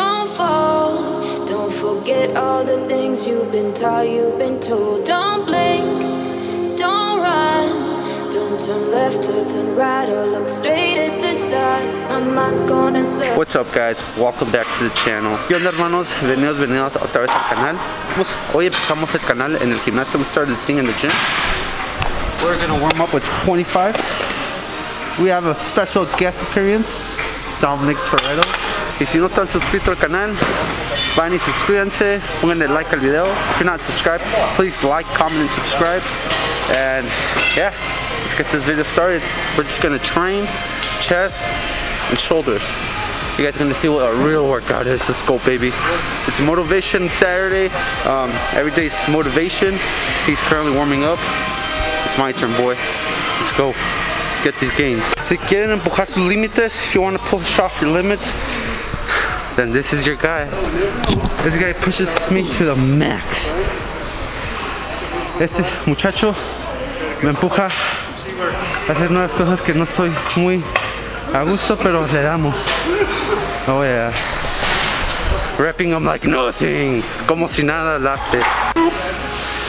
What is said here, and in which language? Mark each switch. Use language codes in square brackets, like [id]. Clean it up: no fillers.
[en] at all the things you've been taught, you've been told. Don't blink, don't run, don't turn left or turn right or look straight at the sun. My mind's gone and so. What's up, guys? Welcome back to the channel. [es] ¿Qué onda, hermanos? Bienvenidos otra vez al canal. Pues hoy empezamos el canal en el gimnasio. [en] We started the thing in the gym. We're gonna warm up with 25s. We have a special guest appearance, Dominic Toretto. [es] Y si no están suscritos al canal, van y suscríbanse, pónganle like al video. [en] If you're not subscribed, please like, comment, and subscribe. And yeah, let's get this video started. We're just gonna train chest and shoulders. You guys are gonna see what a real workout is. Let's go, baby. It's Motivation Saturday. Every day's motivation. He's currently warming up. It's my turn, boy. Let's go. Let's get these gains. [es] Si quieren empujar sus límites, [en] if you want to push off your limits, then this is your guy. This guy pushes me to the max. [es] Este muchacho me empuja a hacer nuevas cosas que no soy muy a gusto, pero le damos. [en] Oh yeah. Repping him like nothing. [es] Como si nada lo hace.